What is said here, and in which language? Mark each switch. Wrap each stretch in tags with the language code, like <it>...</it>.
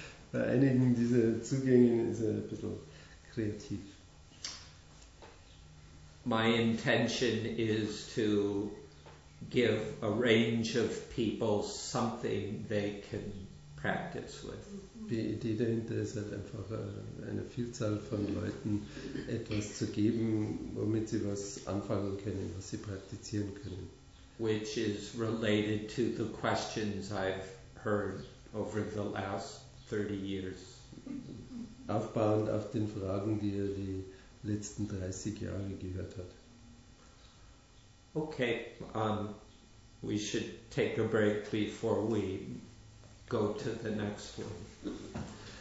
<de>Bei einigen dieser Zugänge ist er ein bisschen kreativ.</de> <en>My intention is to give a range of people something they can practice with.</en> <de>Die Idee dahinter ist halt einfach eine Vielzahl von Leuten etwas zu geben, womit sie was anfangen können, was sie praktizieren können.</de> <en>Which is related to the questions I've heard over the last 30 years.</en> <de>Aufbauend auf den Fragen, die er die letzten 30 Jahre gehört hat.</de> <en>Okay, we should take a break before we go to the next one.</en>